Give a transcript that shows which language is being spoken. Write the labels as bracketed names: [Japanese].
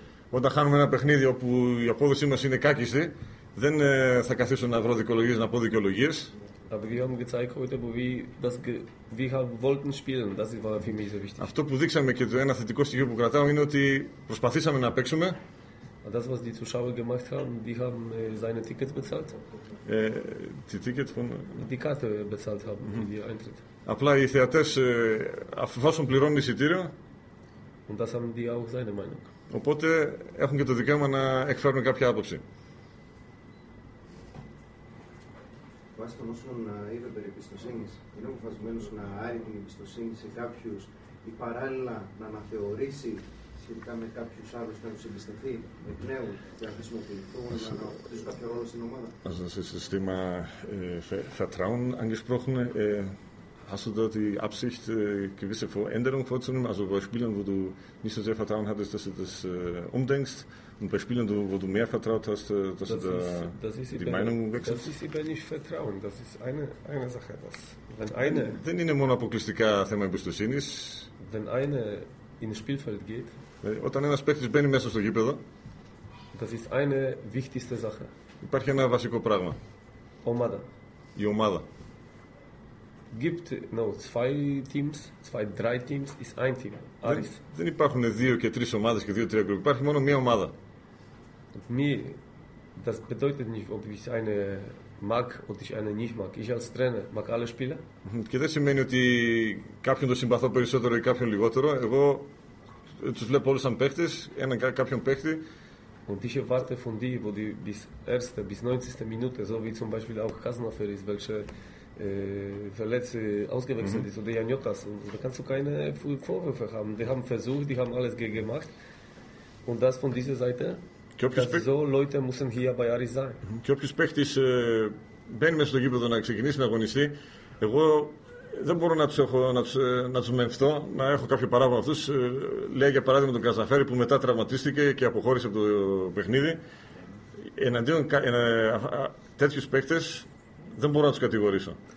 [Greek] όταν χάνουμε ένα παιχνίδι όπου η απόδοσή μας είναι κάκιστη, δεν θα καθίσω να βρω δικαιολογίες, να πω δικαιολογίες. [German] Aber wir haben gezeigt heute, wo wir das wir wollten spielen. Das war für mich sehr wichtig. [Greek] Αυτό που δείξαμε και το ένα θετικό στοιχείο που κρατάω είναι ότι προσπαθήσαμε να παίξουμε. [German] Das, was die Zuschauer gemacht haben, die haben seine Tickets bezahlt. Die Tickets von... Die Karte bezahlt haben, mm-hmm. die Eintritt. [Greek] Απλά οι θεατές αφού πληρώνουν εισιτήριο. [German] Und das haben die auch seine Meinung. [Greek] Οπότε έχουν και το δικαίωμα να εκφέρουν κάποια άποψη. Βάσει των όσων είπε περί εμπιστοσύνης, είναι αποφασισμένος να άρει την εμπιστοσύνη σε κάποιους ή παράλληλα να αναθεωρήσει σχετικά με κάποιους άλλους που έχουν εμπιστευτεί εκ νέου για να χρησιμοποιηθούν, να αναπτύσσουν κάποιο ρόλο στην ομάδα. [German] Also das ist das Thema Vertrauen angesprochen. Hast du da die Absicht, gewisse Veränderungen vorzunehmen? Also bei Spielern, wo du nicht so sehr Vertrauen hattest, dass du das umdenkst? Und bei Spielern, wo du mehr vertraut hast, dass das du da ist, das ist die Meinung wechselst? Das ist eben nicht Vertrauen. Das ist eine Sache. Das. Wenn eine, [Greek] Δεν είναι μόνο αποκλειστικά θέμα εμπιστοσύνης. [German] Wenn eine ins Spielfeld geht, [Greek] όταν ένας παίκτης μπαίνει μέσα στο γήπεδο, [German] das ist eine wichtigste Sache. [Greek] Υπάρχει ένα βασικό πράγμα. Ομάδα. Η ομάδα. [German] Gibt no, zwei Teams, zwei, drei Teams ist ein Team. Aris. [Greek] Δεν υπάρχουν δύο και τρεις ομάδες και δύο τρία γκρουπ. Υπάρχει μόνο μία ομάδα. [German] Mir, das bedeutet nicht, ob ich eine mag oder ich eine nicht mag. Ich als Trainer mag alle Spieler. Και δεν σημαίνει ότι κάποιον το συμπαθώ περισσότερο ή κάποιον λιγότερο. Εγώ τους βλέπω όλους σαν παίχτες, έναν κάποιον παίχτη. Und ich erwarte von dir, wo die bis erste, bis 90. Minute, so wie zum Beispiel auch Kasnafer ist, welche verletzt, ausgewechselt mm-hmm. ist oder Janjotas. Da kannst du keine Vorwürfe haben. Die haben versucht, die haben alles gemacht. Und das von dieser Seite. So Leute müssen hier bei Aris sein. [Greek] Και όποιος παίχτης μπαίνει μέσα στο γήπεδο να ξεκινήσει να αγωνιστεί, εγώ δεν μπορώ να τους μεμφθώ, να έχω κάποιο παράπονο αυτούς. Λέει για παράδειγμα τον Κασαφέρη που μετά τραυματίστηκε και αποχώρησε από το παιχνίδι. Εναντίον τέτοιους παίχτες. Δεν μπορώ να τους κατηγορήσω.